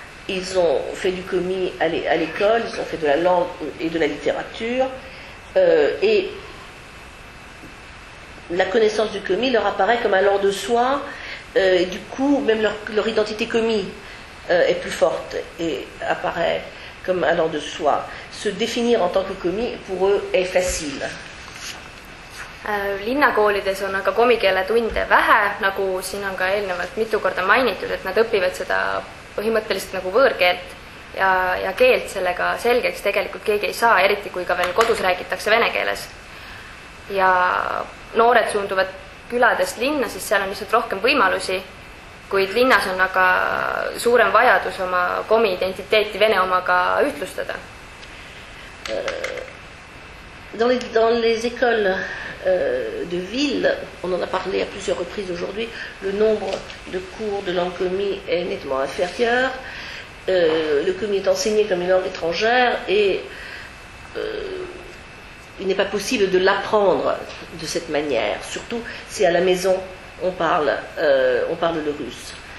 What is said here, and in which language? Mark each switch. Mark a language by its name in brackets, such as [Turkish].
[French] Ils ont fait du commis à l'école, ils ont fait de la langue et de la littérature, et la connaissance du commis leur apparaît comme allant de soi, et du coup, même leur identité commis est plus forte et apparaît comme allant de soi. Se définir en tant que commis, pour eux, est facile. [Estonian] Linnakoolides on aga komikeele tunde vähe, nagu siin on ka eelnevalt mitu korda mainitud, et nad õpivad seda põhimõtteliselt nagu võõrkeelt ja keelt sellega selgeks tegelikult keegi ei saa, eriti kui ka veel kodus räägitakse vene keeles. Ja noored suunduvad küladest linna, siis seal on lihtsalt rohkem võimalusi, kuid linnas on aga suurem vajadus oma komi-identiteeti vene omaga ühtlustada. [French] Dans les écoles de ville, on en a parlé à plusieurs reprises aujourd'hui, le nombre de cours de langue commi est nettement inférieur. Le commi est enseigné comme une langue étrangère et il n'est pas possible de l'apprendre de cette manière, surtout si à la maison on parle le russe.